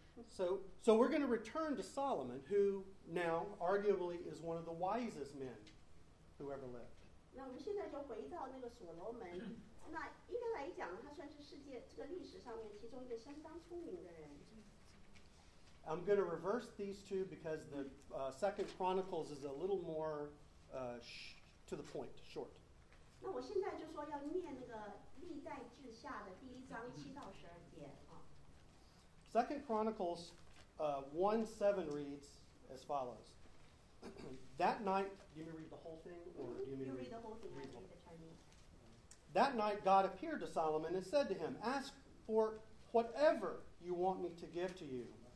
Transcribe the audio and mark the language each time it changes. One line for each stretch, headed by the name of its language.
English: So we're going to return to Solomon, who now arguably is one of the wisest men who ever lived.
Chinese: 那我们现在就回到那个所罗门。那一般来讲，他算是世界这个历史上面其中一个相当聪明的人。
English: I'm going to reverse these two because the Second Chronicles is a little more to the point, short.
Chinese: 那我现在就说要念那个历代志下的第一章七到十二节。
English: Second Chronicles 1:7 reads as follows. That night, do you mean read the whole thing? Or do you mean read the whole thing? Read the Chinese. That night God appeared to Solomon and said to him, "Ask for whatever you want me to give to you."